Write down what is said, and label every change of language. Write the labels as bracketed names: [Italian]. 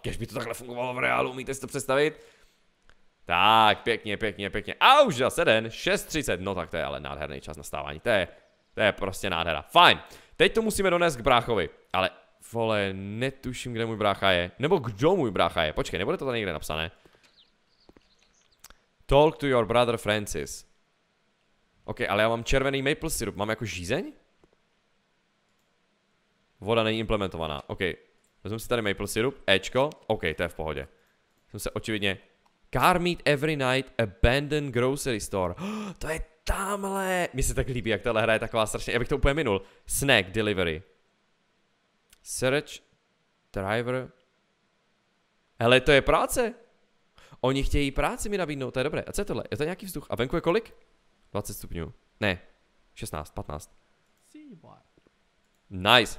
[Czech] Kéž by to takhle fungovalo v reálu, umíte si to představit? Tak, pěkně. A už zase den, 6:30. No tak to je ale nádherný čas na stávání. To je prostě nádhera. Fajn. Teď to musíme donést k bráchovi. Ale, vole, netuším, kde můj brácha je. Nebo kdo můj brácha je. Počkej, nebude to tady někde napsané. [English] Talk to your brother Francis. [Czech] OK, ale já mám červený maple syrup. Mám jako žízeň? Voda není implementovaná. OK, vezmu si tady maple syrup. Ečko. OK, to je v pohodě. Jsem se očividně... [English] Car meet every night, abandoned grocery store. [Czech] Oh, to je tamhle. Mně se tak líbí, jak tahle hra je taková strašně. Já bych to úplně minul. [English] Snack delivery. Search driver. [Czech] Hele, to je práce. Oni chtějí práci mi nabídnout, to je dobré. A co je tohle? Je to nějaký vzduch? A venku je kolik? 20 stupňů. Ne. 16, 15. Nice.